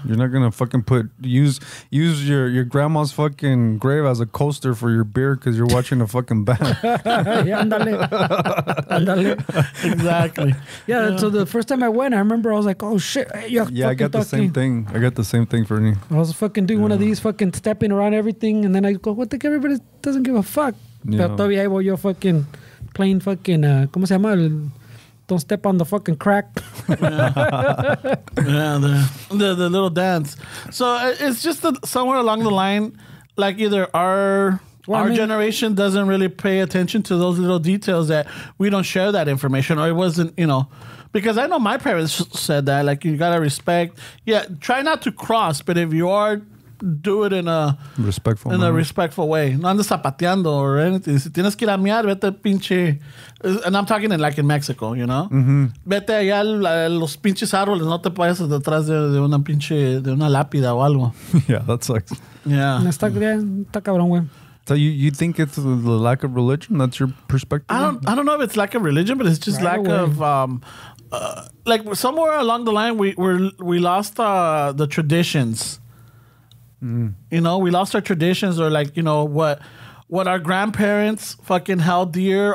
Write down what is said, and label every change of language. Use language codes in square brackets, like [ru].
[en] You're not going to fucking put, use your grandma's fucking grave as a coaster for your beer because you're watching a fucking band. Yeah, andale. Exactly. Yeah, yeah, so the first time I went, I remember I was like, oh shit. Yeah, I got the same thing. I got the same thing for me. I was fucking doing one of these, fucking stepping around everything, and then I go, what the fuck? Everybody doesn't give a fuck. Yeah. [es] Pero todavía voy yo [en] fucking playing fucking, [es] ¿cómo se llama? [en] Don't step on the fucking crack. the little dance. So it's just that somewhere along the line, like either our generation doesn't really pay attention to those little details that we don't share that information, or it wasn't, you know, because I know my parents said that, like, you gotta respect. Yeah, try not to cross, but if you are, do it in a respectful in manner. A respectful way. [es] No andes zapateando [en] or anything. [es] Si tienes que ir a mear, vete pinche. [en] And I'm talking in like in Mexico, you know. Mm-hmm. [es] Vete allá los pinches árboles. No te pases detrás de una pinche de una lápida o algo. [en] Yeah, that sucks. Yeah. [es] Está cabrón, güey. [en] So you think it's the lack of religion? That's your perspective? I don't know if it's lack of religion, but it's just right lack away. Of. Like somewhere along the line, we lost the traditions. Mm. You know, we lost our traditions, or like, you know, what our grandparents fucking held dear.